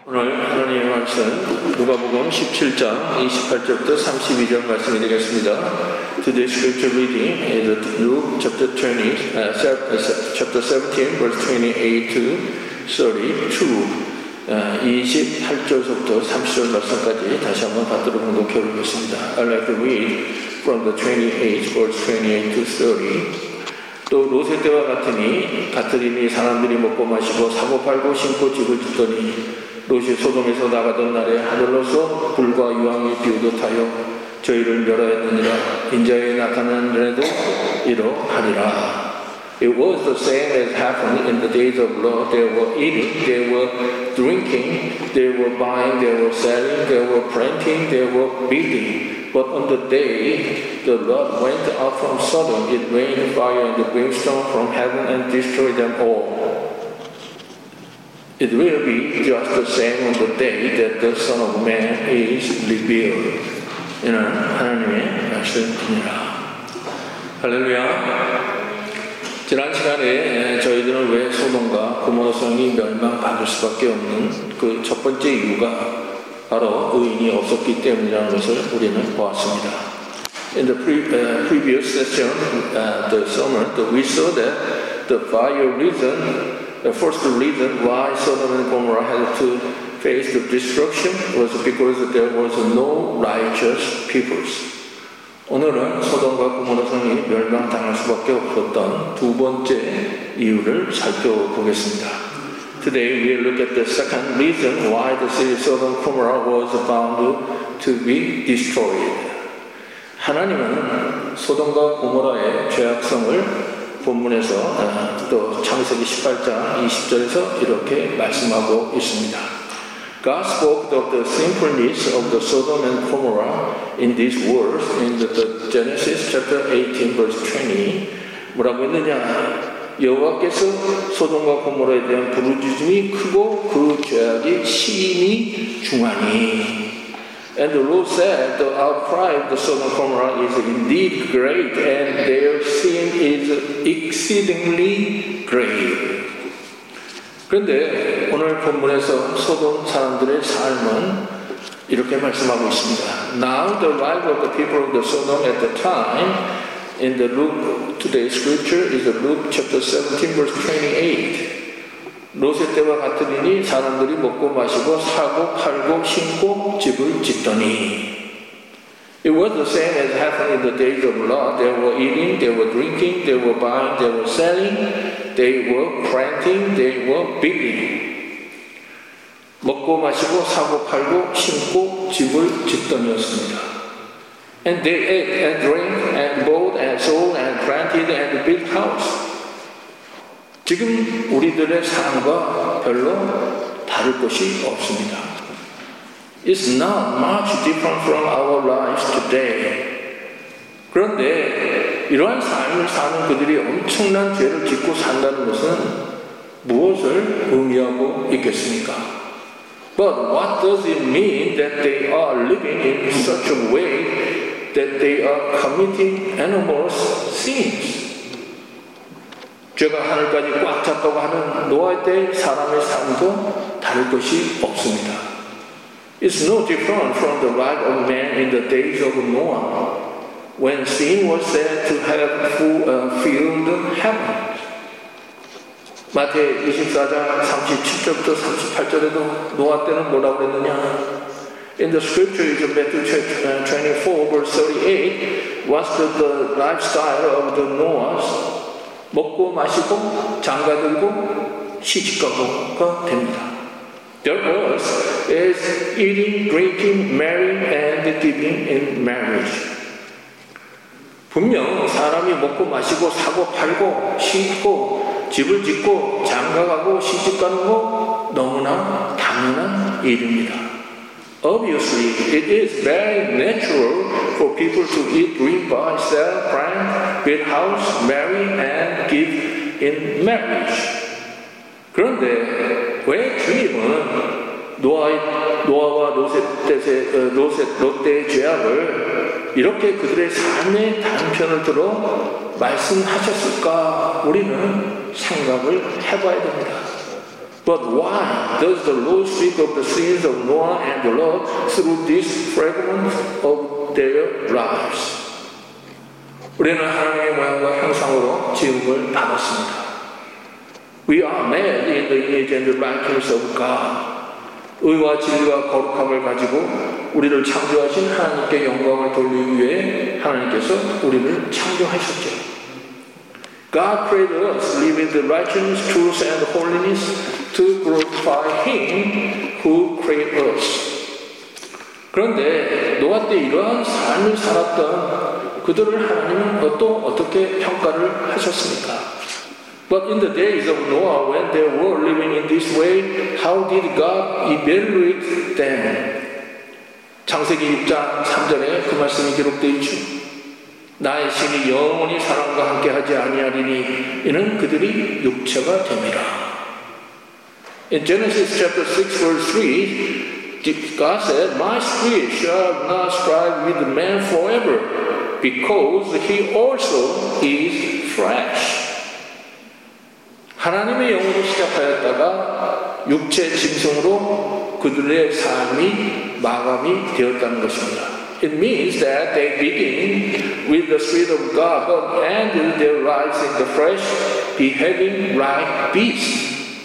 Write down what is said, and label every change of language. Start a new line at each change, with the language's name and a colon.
Korean: 말씀은 누가복음 17장 28절부터 32절 말씀이 되겠습니다.
English: Today's scripture reading is Luke chapter 20, chapter 17, verse 28 to 32.
Korean: 28절부터 30절 말씀까지 다시 한번 받도록 목표로 하겠습니다.
English: I'd like to read from the 28, verse 28 to 30.
Korean: 또 로세 때와 같으니 같으리니 사람들이 먹고 마시고 사고 팔고 신고 집을 짓더니 롯이 소돔에서 나가던 날에 하늘로서 불과 유황이 비우듯하여 저희를 멸하였느니라. 인자에 나타난 날에도 이러하리라.
English: It was the same as happened in the days of Lot. They were eating, they were drinking, they were buying, they were selling, they were planting, they were building. But on the day the Lord went out from Sodom, it rained fire and brimstone from heaven and destroyed them all. It will be just the same on the day that the Son of Man is revealed.
Korean: 이는 하나님의 말씀입니다. 할렐루야. 지난 시간에 저희들은 왜 소돔과 고모라 성이 멸망받을 수밖에 없는 그 첫 번째 이유가 바로 의인이 없었기 때문이라는 것을 우리는 보았습니다.
English: In the previous session, the sermon, we saw that the fire reason, the first reason why Sodom and Gomorrah had to face the destruction was because there was no righteous peoples.
Korean: 오늘은 소돔과 고모라 성이 멸망당할 수밖에 없었던 두 번째 이유를 살펴보겠습니다.
English: Today we look at the second reason why the city of Sodom and Gomorrah was bound to be destroyed.
Korean: 하나님은 소돔과 고모라의 죄악성을 본문에서 또 창세기 18장 20절에서 이렇게 말씀하고 있습니다.
English: God spoke of the sinfulness of the Sodom and Gomorrah in these words in the Genesis chapter 18 verse 20.
Korean: 뭐라고 했느냐? 여호와께서 소돔과 고모라에 대한 부르짖음이 크고 그 죄악이 심히 중하니.
English: And the Lord said, the outcry of the Sodom and Gomorrah is indeed great, and their sin is exceedingly great.
Korean: 그런데 오늘 본문에서 소돔 사람들의 삶은 이렇게 말씀하고 있습니다.
English: Now the life of the people of the Sodom at the time in the Luke today's scripture is Luke chapter 17 verse 28.
Korean: 로세 때와 같으니 사람들이 먹고 마시고 사고 팔고 신고 집을 짓더니.
English: It was the same as happened in the days of Lot. They were eating, they were drinking, they were buying, they were selling, they were planting, they were building.
Korean: 먹고 마시고 사고 팔고 신고 집을 짓더니였습니다.
English: And they ate and drank and bought and sold and planted and built house.
Korean: 지금 우리들의 삶과 별로 다를 것이 없습니다.
English: It's not much different from our lives today.
Korean: 그런데 이러한 삶을 사는 그들이 엄청난 죄를 짓고 산다는 것은 무엇을 의미하고 있겠습니까?
English: But what does it mean that they are living in such a way that they are committing enormous sins?
Korean: 죄가 하늘까지 꽉 찼다고 하는 노아의 때 사람의 삶도 다를 것이 없습니다.
English: It's no different from the life of man in the days of Noah, when sin was said to have filled heaven.
Korean: 마태 24장 37절부터 38절에도 노아 때는 뭐라고 그랬느냐?
English: In the scripture of Matthew 24 verse 38, was the lifestyle of the Noahs?
Korean: 먹고 마시고 장가들고 시집가고가 됩니다.
English: Their words is eating, drinking, marrying, and giving in marriage.
Korean: 분명 사람이 먹고 마시고 사고 팔고 신고 집을 짓고 장가가고 시집가는 거 너무나 당연한 일입니다.
English: Obviously, it is very natural for people to eat, drink, buy, sell, plant, build house, marry, and give in marriage.
Korean: 그런데 왜 주님은 노아와 롯의 죄악을 이렇게 그들의 삶의 단편을 들어 말씀하셨을까? 우리는 생각을 해봐야 됩니다.
English: But why does the Lord speak of the sins of Noah and the Lot through this fragment of their lives?
Korean: 우리는 하나님의 모양과 형상으로 지음을 받았습니다.
English: We are made in the image and the likeness of God.
Korean: 의와 진리와 거룩함을 가지고 우리를 창조하신 하나님께 영광을 돌리기 위해 하나님께서 우리를 창조하셨죠.
English: God created us, living the righteousness, truth, and holiness to glorify Him who created us.
Korean: 그런데 노아 때 이러한 삶을 살았던 그들을 하나님은 어떻게 평가를 하셨습니까?
English: But in the days of Noah, when they were living in this way, how did God evaluate them?
Korean: 창세기 6장 3절에 그 말씀이 기록되어 있죠. 나의 신이 영원히 사람과 함께 하지 아니하리니 이는 그들이 육체가 됨이라.
English: In Genesis chapter 6 verse 3, God said, My spirit shall not strive with man forever, because he also is flesh.
Korean: 하나님의 영으로 시작하였다가 육체 짐승으로 그들의 삶이 마감이 되었다는 것입니다.
English: It means that they begin with the spirit of God but end their lives in the flesh, behaving like beasts.